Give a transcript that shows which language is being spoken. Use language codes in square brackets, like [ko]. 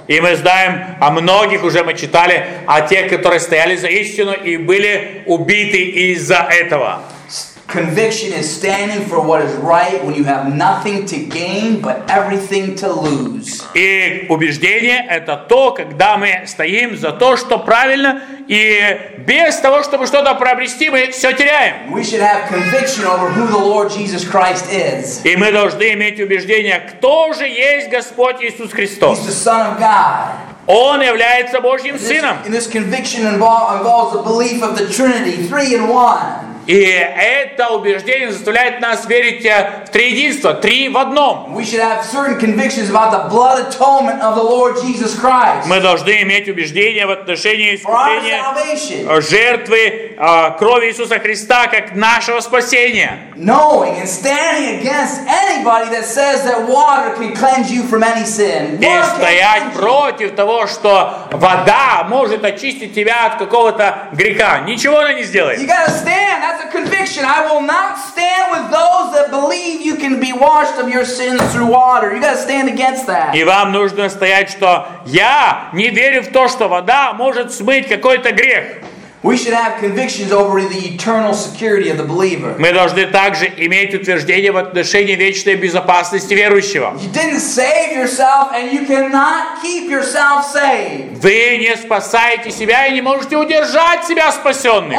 [ru] И мы знаем о многих, уже мы читали, о тех, которые стояли за истину и были убиты из-за этого. [en] Conviction is standing for what is right when you have nothing to gain but everything to lose. [ru] И убеждение это то, когда мы стоим за то, что правильно, и без того, чтобы что-то приобрести, мы все теряем. [en] We should have conviction over who the Lord Jesus Christ is. [ru] И мы должны иметь убеждение, кто же есть Господь Иисус Христос. [en] He's the Son of God. [ru] Он является Божьим Сыном. [en] And this conviction involves the belief of the Trinity, three in one. [ru] И это убеждение заставляет нас верить в триединство, три в одном. [en] We should have certain convictions about the blood atonement of the Lord Jesus Christ. [ru] Мы должны иметь убеждение в отношении искупления, жертвы крови Иисуса Христа как нашего спасения. [en] Knowing and standing against anybody that says that water can cleanse you from any sin. [ru] И стоять против того, что вода может очистить тебя от какого-то греха. Ничего она не сделает. [en] You gotta stand. That's a conviction. I will not stand with those that believe you can be washed of your sins through water. You gotta stand against that. [ru] И вам нужно стоять, что я не верю в то, что вода может смыть какой-то грех. [en] We should have convictions over the eternal security of the believer. [ru] Мы должны также иметь утверждение в отношении вечной безопасности верующего. [en] You didn't save yourself, and you cannot keep yourself saved. [ru] Вы не спасаете себя и не можете удержать себя спасенным.